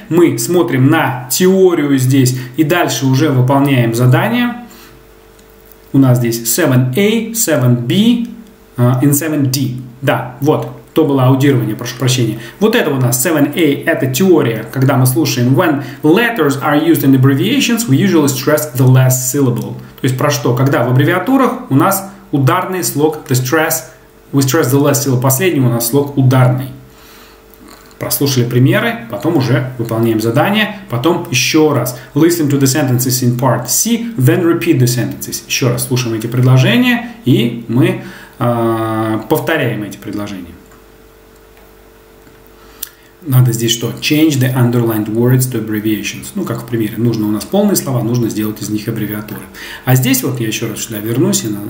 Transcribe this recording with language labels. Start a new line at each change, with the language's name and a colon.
Russian: Мы смотрим на теорию здесь и дальше уже выполняем задание. У нас здесь 7A, 7B and 7D. Да, вот. То было аудирование, прошу прощения. Вот это у нас 7A, это теория, когда мы слушаем.
English: When letters are used in abbreviations, we usually stress the last syllable.
Russian: То есть про что? Когда в аббревиатурах у нас ударный слог,
English: the stress, we stress the last syllable.
Russian: Последний у нас слог ударный. Прослушали примеры, потом уже выполняем задание, потом еще раз.
English: Listen to the sentences in part C, then repeat the sentences.
Russian: Еще раз слушаем эти предложения и мы повторяем эти предложения. Надо здесь что?
English: Change the underlined words to abbreviations.
Russian: Ну, как в примере. Нужно у нас полные слова, нужно сделать из них аббревиатуры. А здесь вот я еще раз сюда вернусь.